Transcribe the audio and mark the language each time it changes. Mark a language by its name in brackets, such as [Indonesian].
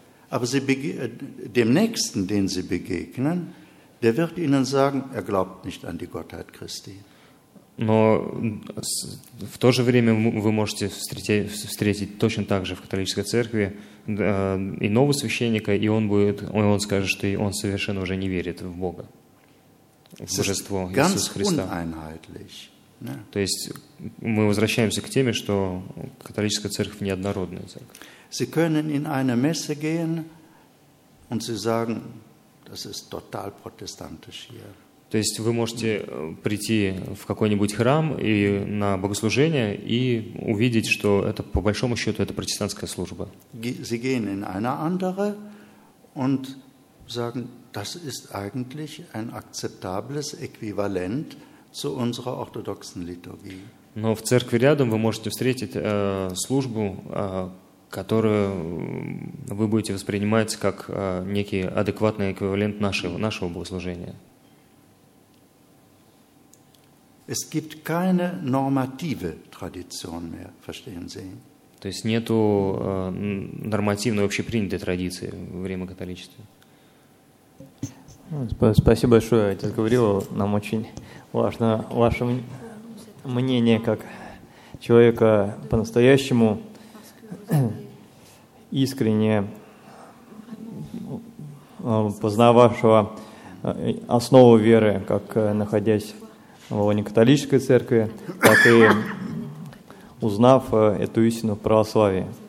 [German] Aber Sie dem Nächsten, den Sie begegnen, der wird Ihnen sagen, er glaubt nicht an die Gottheit Christi. [Russian] Но в то же время вы можете встретить точно так же в католической церкви иного священника, и он скажет, что он совершенно уже не верит в Бога. Божество Иисуса Христа. То есть мы возвращаемся к теме, что католическая церковь неоднородная церковь. [German] Sie können in eine Messe gehen und Sie sagen, das ist total protestantisch hier. [Russian] То есть вы можете прийти в какой-нибудь храм и на богослужение и увидеть, что это по большому счету это протестантская служба. [German] Sie gehen in eine andere und sagen, das ist eigentlich ein akzeptables Äquivalent zu unserer orthodoxen Liturgie. [Russian] Но в церкви рядом вы можете встретить службу, которую вы будете воспринимать как некий адекватный эквивалент нашего богослужения. [German] Es gibt keine normative Tradition mehr, verstehen Sie? [Russian] То есть нету нормативной общепринятой традиции в римо-католичестве. Спасибо большое, отец Гаврила. Нам очень важно ваше мнение как человека по-настоящему искренне познававшего основу веры, как находясь в лоне католической церкви, так и узнав эту истину в православии.